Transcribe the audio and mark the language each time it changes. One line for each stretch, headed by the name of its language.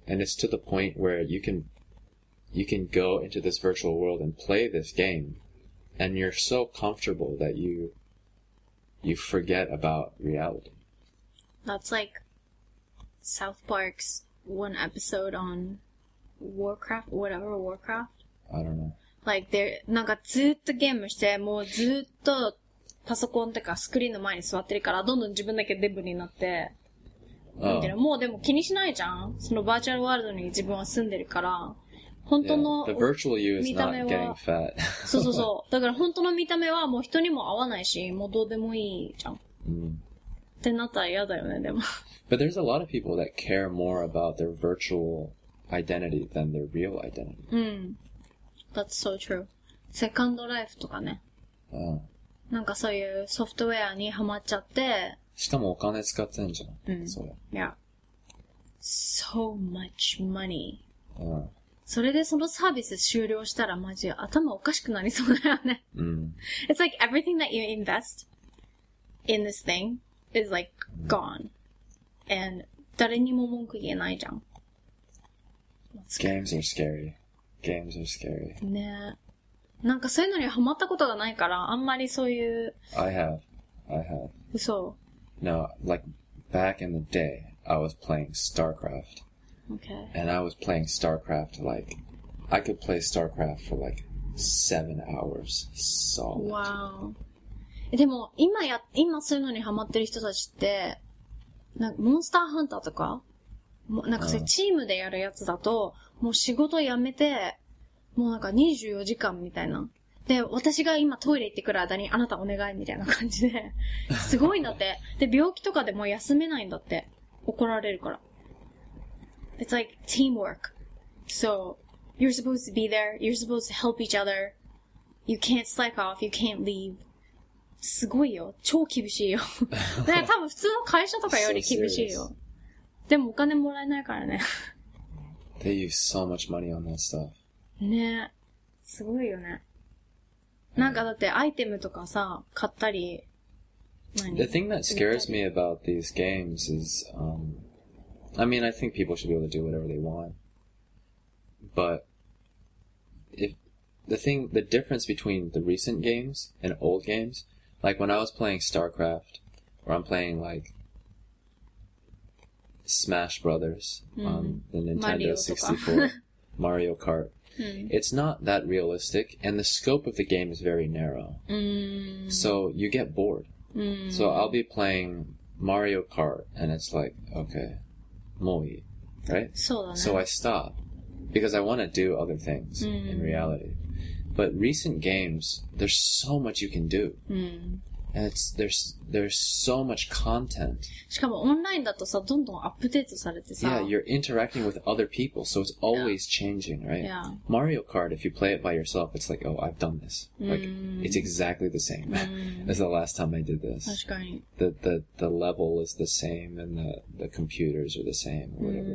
English: And it's to the point where you can go into this virtual world and play this game, and you're so comfortable that you forget about reality. That's like South Park's one episode on Warcraft, whatever, Warcraft. I don't know. Like, they're,
Japanese: なんかずっとゲームして、もうずっとパソコンとかスクリーンの前に座ってるから、どんどん自分だけデブになって、みたいな。もうでも気にしないじゃん？そのバーチャルワールドに自分は住んでるから、本当の見た目は、そうそうそう。だから本当の見た目はもう人にも合わないし、もうどうでもいいじゃん。ってなったら嫌だよね、でも。
English: But there's a lot of people that care more about their virtual identity than their real identity. That's so true.
Japanese: セカンドライフとかね。なんかそういうソフトウェアにハマっちゃって。しかもお金使ってんじゃん。うん。それ。
English: Yeah. So much money.
Japanese: それでそのサービス終了したらマジ頭おかしくなりそうだよね。
English: It's like everything that you invest in this thing is like gone. And
Japanese: 誰にも文句言えないじゃん。
English: Games are scary. Games are scary.
Japanese: ね。なんかそういうのにハマったことがないから、あんまりそういう。
English: I have.
Japanese: 嘘。
English: No, like, back in the day, I was playing StarCraft. Okay. And I was playing StarCraft, like, I could play StarCraft for, like, 7 hours solid. Wow.
Japanese: でも、今そういうのにハマってる人たちって、なんかモンスターハンターとか、なんかそういうチームでやるやつだと、もう仕事辞めて、もうなんか24時間みたいな。で、私が今トイレ行ってくる間にあなたお願いみたいな感じで。すごいんだって。で、病気とかでもう休めないんだって。怒られるから。
English: It's like teamwork. So, you're supposed to be there. You're supposed to help each other. You can't slack off. You can't leave.
Japanese: すごいよ。超厳しいよ。で、多分普通の会社とかより厳しいよ。でもお金もらえないからね。
English: They use so much money on that stuff.
Japanese: ね。すごいよね。なんかだってアイテムとかさ、買ったり、何？
English: The thing that scares me about these games is, I mean, I think people should be able to do whatever they want. But, the difference between the recent games and old games, like when I was playing StarCraft, or I'm playing like,Smash Brothers on the Nintendo 64, Mario Kart. It's not that realistic, and the scope of the game is very narrow. So you get bored. So I'll be playing Mario Kart, and it's like, okay, moi, right? So I stop, because I want to do other things in reality. But recent games, there's so much you can do. And there's so much content.
Japanese: しかもオンラインだとさ、どんどんアップデートされてさ。
English: Yeah, you're interacting with other people, so it's always changing, right? Yeah. Mario Kart, if you play it by yourself, it's like, oh, I've done this. Like, it's exactly the same as the last time I did this.
Japanese: 確かに。
English: The level is the same, and the computers are the same, or whatever.